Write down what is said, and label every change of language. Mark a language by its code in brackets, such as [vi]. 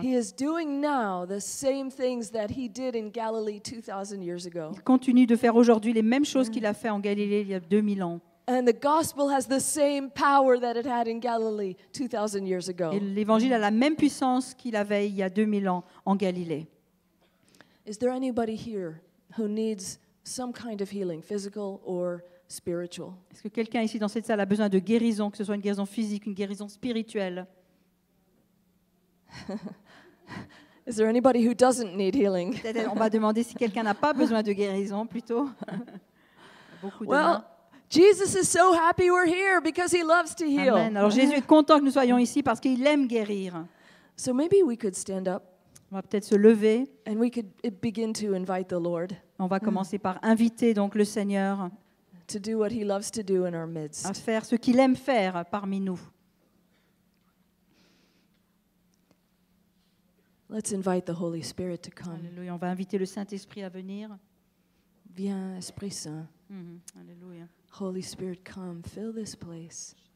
[en] he is doing now the same things that he did in Galilee 2000 years ago. [fr] Il continue de faire aujourd'hui les mêmes choses qu'il a fait en Galilée il y a 2000 ans. [en] And the gospel has the same power that it had in Galilee 2000 years ago. [fr] Et l'évangile a la même puissance qu'il avait il y a 2000 ans en Galilée. [en] Is there anybody here who needs some kind of healing, physical or spiritual? [fr] Est-ce que quelqu'un ici dans cette salle a besoin de guérison, que ce soit une guérison physique, une guérison spirituelle? [en] Is there anybody who doesn't need healing? [fr] On va demander si quelqu'un n'a pas besoin de guérison plutôt. Beaucoup de [en] well, Jesus is so happy we're here because he loves to heal. Amen. [fr] Alors Jésus est content que nous soyons ici parce qu'il aime guérir. [en] So maybe we could stand up. [fr] On va peut-être se lever. [en] And we could begin to invite the Lord. [fr] On va commencer par inviter donc le Seigneur. [en] To do what he loves to do in our midst. [fr] À faire ce qu'il aime faire parmi nous. [en] Let's invite the Holy Spirit to come. [fr] Alléluia, on va inviter le Saint-Esprit à venir. Viens, Esprit Saint. Mm-hmm. Alléluia. [en] Holy Spirit, come, fill this place.